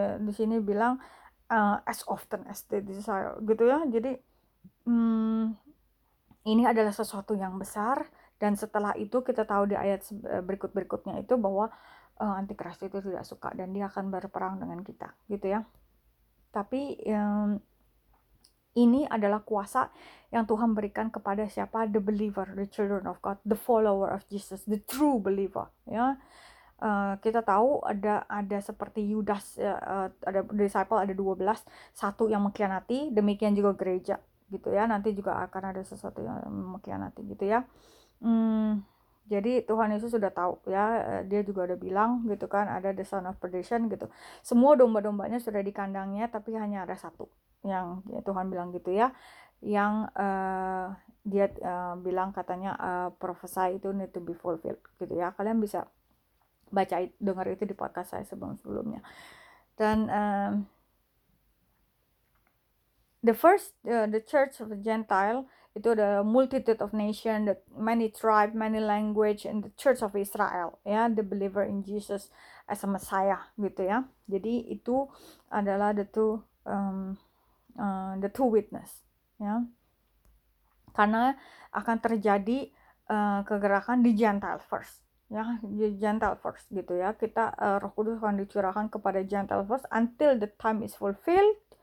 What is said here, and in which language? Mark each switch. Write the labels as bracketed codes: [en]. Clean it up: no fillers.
[id] Di sini bilang [en] as often as they desire [id] gitu ya. Jadi ini adalah sesuatu yang besar, dan setelah itu kita tahu di ayat berikut-berikutnya itu bahwa antikristus itu tidak suka dan dia akan berperang dengan kita gitu ya. Tapi ini adalah kuasa yang Tuhan berikan kepada siapa? [en] The believer, the children of God, the follower of Jesus, the true believer ya. [id] Kita tahu ada seperti Yudas, ada disciple ada 12, satu yang mengkhianati, demikian juga gereja gitu ya, nanti juga akan ada sesuatu yang mengkhianati gitu ya. Jadi Tuhan Yesus sudah tahu ya, dia juga udah bilang gitu kan, ada [en] the son of perdition [id] gitu, semua domba-dombanya sudah di kandangnya, tapi hanya ada satu yang ya, Tuhan bilang gitu ya, yang dia bilang katanya prophesy itu [en] need to be fulfilled [id] gitu ya. Kalian bisa baca dengar itu di podcast saya sebelumnya. [en] Dan the first the church of the Gentile itu the multitude of nation, the many tribe, many language, and the church of Israel ya, the believer in Jesus as a Messiah gitu ya. [id] Jadi itu adalah [en] the two witness [id] ya, karena akan terjadi kegerakan di Gentile first ya, di Gentile first gitu ya. Kita Roh Kudus akan dicurahkan kepada Gentile first [en] until the time is fulfilled.